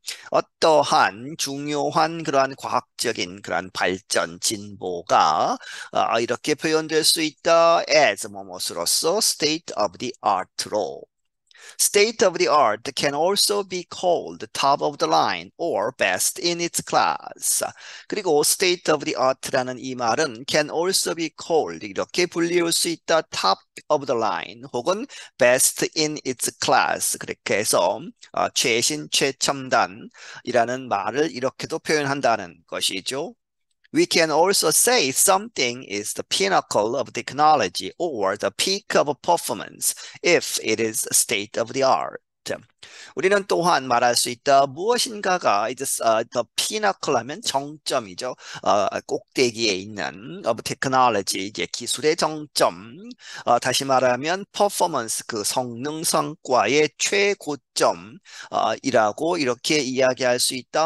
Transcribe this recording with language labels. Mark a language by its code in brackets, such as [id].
[ko] 어떠한 중요한 그러한 과학적인 그러한 발전 진보가 이렇게 표현될 수 있다. [en] As [ko] 무엇으로서 [en] state of the art로. State of the art can also be called top of the line or best in its class. [ko] 그리고 state of the art라는 이 말은 [en] can also be called [ko] 이렇게 불리울 수 있다. [en] Top of the line [ko] 혹은 [en] best in its class. [ko] 그렇게 해서 최신 최첨단이라는 말을 이렇게도 표현한다는 것이죠. [en] We can also say something is the pinnacle of technology or the peak of performance if it is state of the art. [ko] 우리는 또한 말할 수 있다. 무엇인가가 이제 더 피나클라면 정점이죠. 꼭대기에 있는 [en] of technology [ko] 이제 기술의 정점. 다시 말하면 퍼포먼스 그 성능 성과의 최고점이라고 이렇게 이야기할 수 있다.